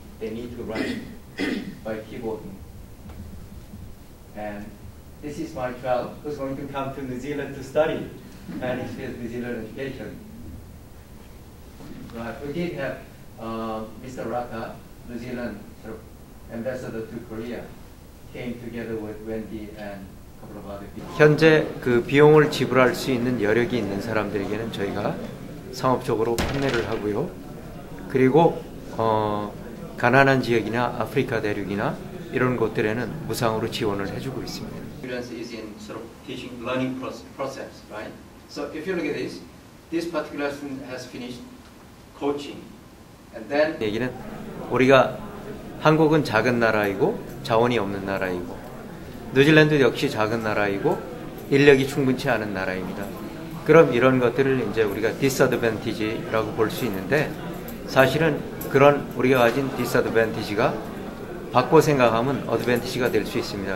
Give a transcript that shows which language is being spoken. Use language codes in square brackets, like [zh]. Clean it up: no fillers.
[en] They need to write by keyboarding. And this is my child who's going to come to New Zealand to study. And he has New Zealand education. But we did have Mr. Raka, New Zealand sort of ambassador to Korea, came together with Wendy and a couple of other people. [ko] 현재 그 비용을 지불할 수 있는 여력이 있는 사람들에게는 저희가 상업적으로 판매를 하고요. 그리고 가난한 지역이나 아프리카 대륙이나 이런 곳들에는 무상으로 지원을 해주고 있습니다. [en] Experience is in sort of teaching learning process, right? So if you look at this, this particular student has finished coaching, and then [ko] 얘기는 우리가 한국은 작은 나라이고 자원이 없는 나라이고 뉴질랜드 역시 작은 나라이고 인력이 충분치 않은 나라입니다. 그럼 이런 것들을 이제 우리가 디스어드밴티지라고 볼 수 있는데 사실은 그런 우리가 가진 디스어드밴티지가 바꿔 생각하면 어드밴티지가 될 수 있습니다.